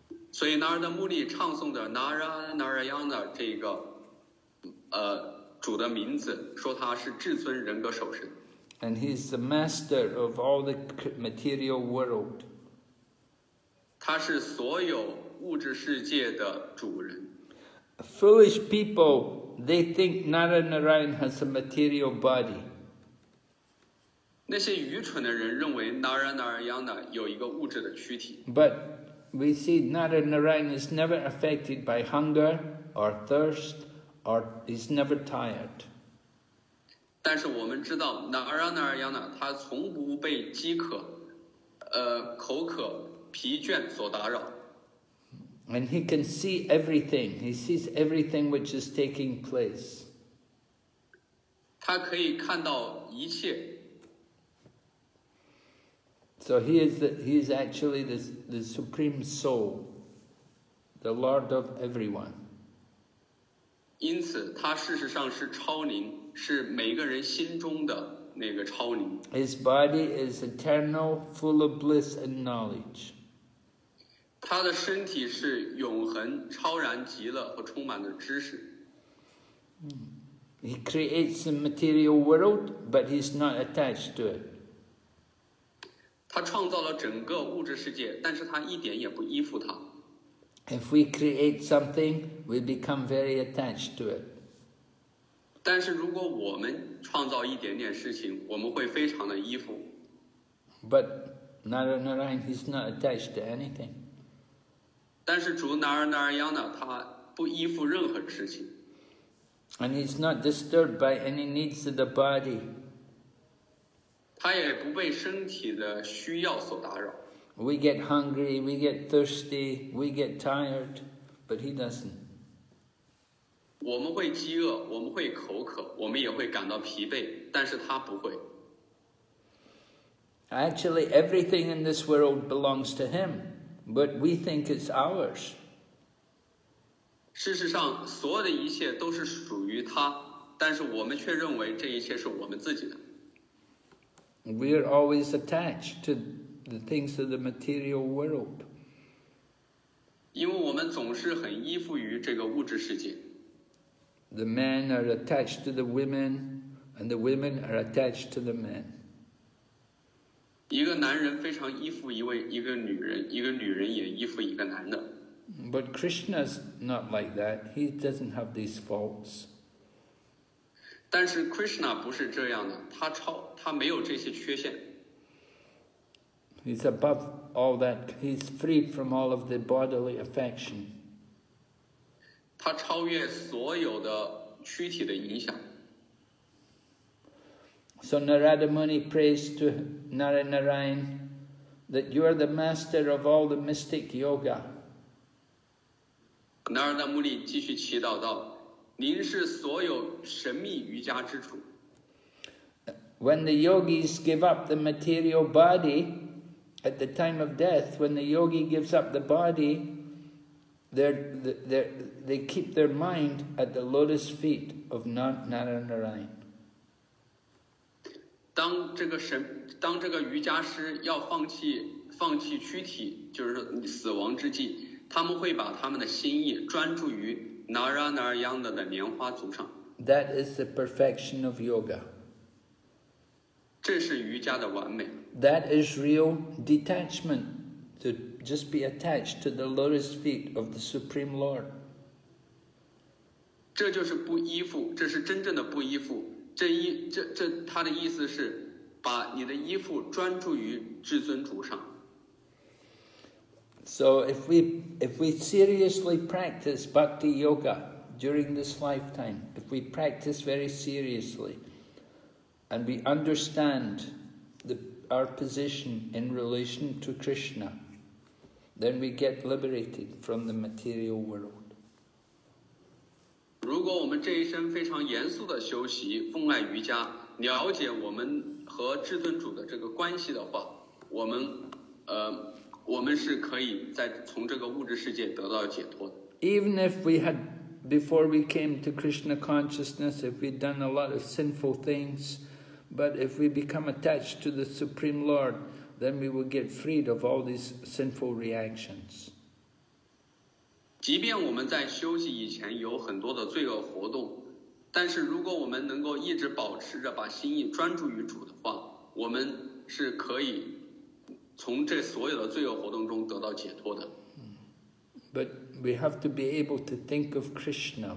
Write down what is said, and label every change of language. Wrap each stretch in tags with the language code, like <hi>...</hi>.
<en>So Narada Muni chants the Narayana, this,</en> <zh>主的名字，说他是至尊人格首身。</zh> <en>And he's the master of all the material world.</en> <zh>他是所有物质世界的主人。</zh> <en>Foolish people, they think Narayan has a material body.</en> <zh>那些愚蠢的人认为 Narayan 有一个物质的躯体。</zh> <en>But we see Narayan is never affected by hunger or thirst or is never tired.</en> <zh>但是我们知道 Narayan 他从不被饥渴、口渴、疲倦所打扰。</zh> <en>And he can see everything. He sees everything which is taking place.</en> <zh>他可以看到一切。</zh> <en>So he is actually the supreme soul, the Lord of everyone.</en> <zh>因此，他事实上是超灵，是每个人心中的那个超灵。</zh> <en>His body is eternal, full of bliss and knowledge.</en> <zh>他的身体是永恒、超然极乐和充满了知识。</zh> <en>He creates the material world, but he's not attached to it.</en> <zh>他创造了整个物质世界，但是他一点也不依附它。</zh> <en>If we create something, we become very attached to it.</en> <zh>但是如果我们创造一点点事情，我们会非常的依附。</zh> <en>But Narayan, he's not attached to anything.</en> <zh>但是主哪儿哪儿样呢？他不依附任何事情。</zh> <en>And he's not disturbed by any needs of the body.</en> <zh>他也不被身体的需要所打扰。</zh> <en>We get hungry, we get thirsty, we get tired, but he doesn't.</en> <zh>我们会饥饿，我们会口渴，我们也会感到疲惫，但是他不会。</zh> <en>Actually, everything in this world belongs to him. But we think it's ours.</en> <zh>事实上，所有的一切都是属于他，但是我们却认为这一切是我们自己的。</zh> <en>We are always attached to the things of the material world.</en> <zh>因为我们总是很依附于这个物质世界。</zh> <en>The men are attached to the women, and the women are attached to the men.</en> <zh>一个男人非常依附一个女人，一个女人也依附一个男的。</zh> <en>But Krishna's not like that. He doesn't have these faults.</en> <zh>但是 Krishna 不是这样的，他没有这些缺陷。</zh> <en>He's above all that. He's free from all of the bodily affection.</en> <zh>他超越所有的躯体的影响。</zh> <en>So Narada Muni prays to Narayan that you are the master of all the mystic yoga.</en> <zh>Narada Muni 继续祈祷道，您是所有神秘瑜伽之主。</zh> <en>When the yogis give up the material body at the time of death, when the yogi gives up the body, they keep their mind at the lotus feet of Narayan.</en> <zh>当这个瑜伽师要放弃躯体，就是死亡之际，他们会把他们的心意专注于 Narayana 的莲花足上。</zh> <en>That is the perfection of yoga.</en> <zh>这是瑜伽的完美。</zh> <en>That is real detachment, to just be attached to the lotus feet of the Supreme Lord.</en> <zh>这就是不依附，这是真正的不依附。这他的意思是把你的衣服专注于至尊主上。</zh> <en>So if we seriously practice bhakti yoga during this lifetime, if we practice very seriously and we understand our position in relation to Krishna, then we get liberated from the material world.</en> <zh>如果我们这一生非常严肃的修习奉爱瑜伽，了解我们和至尊主的这个关系的话，我们是可以在从这个物质世界得到解脱的。</zh> <en>Even if we had before we came to Krishna consciousness, if we'd done a lot of sinful things, but if we become attached to the Supreme Lord, then we will get freed of all these sinful reactions.</en> <zh>即便我们在休息以前有很多的罪恶活动，但是如果我们能够一直保持着把心意专注于主的话，我们是可以从这所有的罪恶活动中得到解脱的。</zh> <en>But we have to be able to think of Krishna.</en>